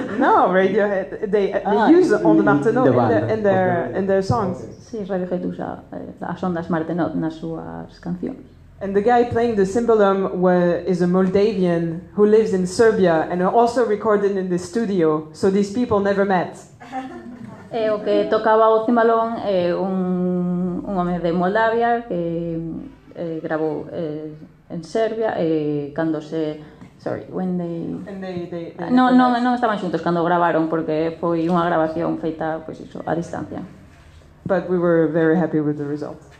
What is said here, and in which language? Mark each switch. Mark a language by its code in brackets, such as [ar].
[en] No, Radiohead, they use Ondas Martenot in their songs. [gl] Sí, Radiohead usa as ondas Martenot nas súas cancións. [en] And the guy playing the cymbalum is a Moldavian who lives in Serbia and also recorded in the studio, so these people never met. [gl] O que tocaba o cimbalón é un home de Moldavia que grabou en Serbia e cando se... [en] Sorry, when they... [gl] Non estaban xuntos cando gravaron porque foi unha grabación feita pues, iso, a distancia. [en] But we were very happy with the result.